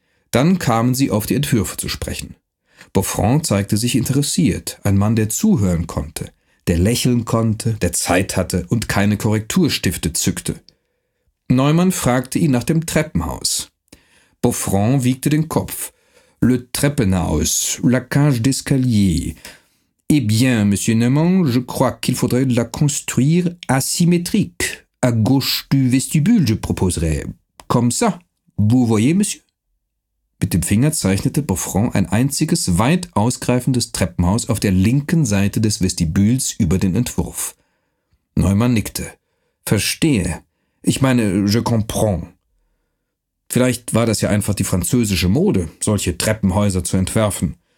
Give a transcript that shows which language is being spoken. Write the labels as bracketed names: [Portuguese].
[German] Dann kamen sie auf die Entwürfe zu sprechen. Boffrand zeigte sich interessiert, ein Mann, der zuhören konnte, der lächeln konnte, der Zeit hatte und keine Korrekturstifte zückte. Neumann fragte ihn nach dem Treppenhaus. Boffrand wiegte den Kopf. [French] »Le Treppenhaus, la cage d'escalier. Eh bien, Monsieur Neumann, je crois qu'il faudrait la construire asymétrique. À gauche du vestibule, je proposerai. Comme ça. Vous voyez, Monsieur?« [German] Mit dem Finger zeichnete Boffrand ein einziges, weit ausgreifendes Treppenhaus auf der linken Seite des Vestibüls über den Entwurf. Neumann nickte. »Verstehe. Ich meine, [French] je comprends. [German] Vielleicht war das ja einfach die französische Mode, solche Treppenhäuser zu entwerfen.